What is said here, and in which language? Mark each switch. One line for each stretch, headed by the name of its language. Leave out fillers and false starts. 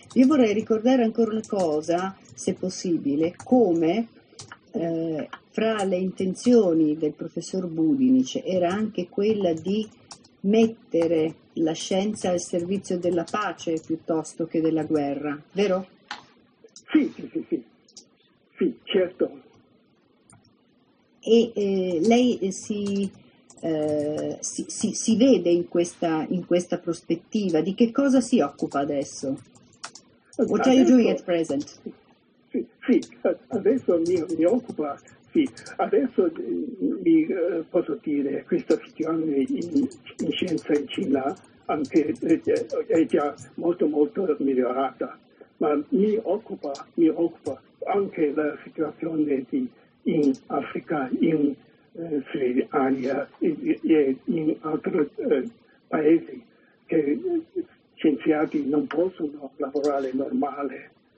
Italian: Io vorrei ricordare ancora una cosa, se possibile, come fra le intenzioni del professor Budinic era anche quella di mettere la scienza al servizio della pace piuttosto che della guerra, vero? Sì, sì, sì, sì, sì, certo. E lei si vede in questa prospettiva, di che cosa si occupa adesso?
English: What are you doing at present?
Italian: Sì, sì, adesso mi occupa, sì, adesso mi posso dire, questa situazione in scienza in Cina anche, è già molto molto migliorata, ma mi occupa anche la situazione di in Africa, in Sri Lanka e in altri paesi che scienziati non possono lavorare normale.